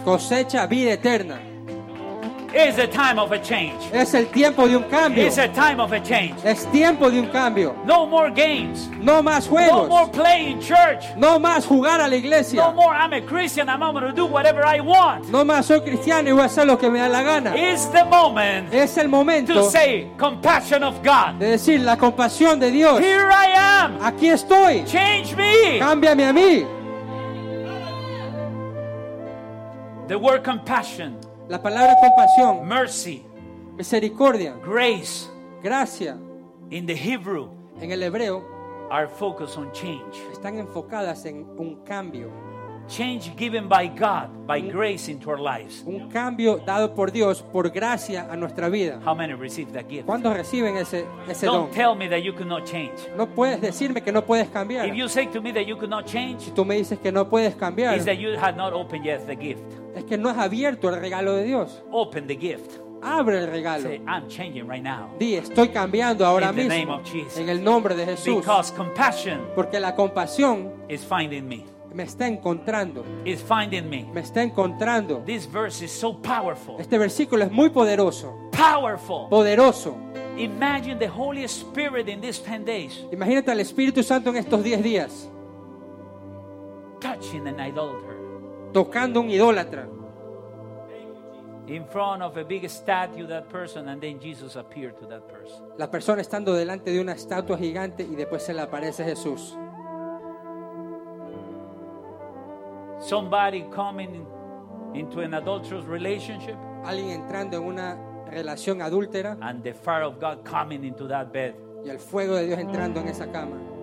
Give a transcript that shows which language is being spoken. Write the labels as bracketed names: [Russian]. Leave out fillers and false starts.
[Spanish] Cosecha vida eterna. [English] It's a time of a change. [Spanish] Es el tiempo de un cambio. [English] It's a time of a change. [Spanish] Es tiempo de un cambio. [English] No more games. [Spanish] No más juegos. [English] No more playing church. [Spanish] No más jugar a la iglesia. [English] No more I'm a Christian, I'm going to do whatever I want. [Spanish] No más soy cristiano y voy a hacer lo que me da la gana. [English] It's the moment. [Spanish] Es el momento. [English] To say compassion of God. [Spanish] De decir la compasión de Dios. [English] Here I am. [Spanish] Aquí estoy. [English] Change me. [Spanish] Cámbiame a mí. [English] The word compassion. [Spanish] La palabra compasión, [English] mercy, [Spanish] misericordia, [English] grace, [Spanish] gracia, [English] in the Hebrew, [Spanish] en el hebreo, [English] are focused on change. [Spanish] Están enfocadas en un cambio. [English] Change given by God, by grace into our lives. [Spanish] Un cambio dado por Dios, por gracia a nuestra vida. [English] How many receive that gift? [Spanish] ¿Cuántos reciben ese [English] don't [Spanish] don? [English] Tell me that you cannot change. [Spanish] No puedes decirme que no puedes cambiar. [English] If you say to me that you cannot change, [Spanish] si tú me dices que no puedes cambiar, [English] is that you have not opened yet the gift. [Spanish] Es que no has abierto el regalo de Dios. [English] Open the gift. [Spanish] Abre el regalo. [English] Say, I'm changing right now. [Spanish] Di, estoy cambiando ahora [English] in the [Spanish] mismo [English] name of Jesus. [Spanish] En el nombre de Jesús. [English] Because compassion, [Spanish] porque la compasión [English] is finding me. [Spanish] Me está encontrando. [English] Is finding me. [Spanish] Me está encontrando. [English] This verse is so powerful. [Spanish] Este versículo es muy poderoso. [English] Powerful. [Spanish] Poderoso. [English] Imagine the Holy Spirit in these 10 days. [Spanish] Imagínate al Espíritu Santo en estos 10 días. [English] Touching an idolater. [Spanish] Tocando un idólatra. [English] In front of a big statue, that person, and then Jesus appeared to that person. [Spanish] La persona estando delante de una estatua gigante y después se le aparece Jesús. [English] Somebody coming into an adulterous relationship. [Spanish] Alguien entrando en una relación adúltera. [English] And the fire of God coming into that bed. [Spanish] Y el fuego de Dios entrando en esa cama.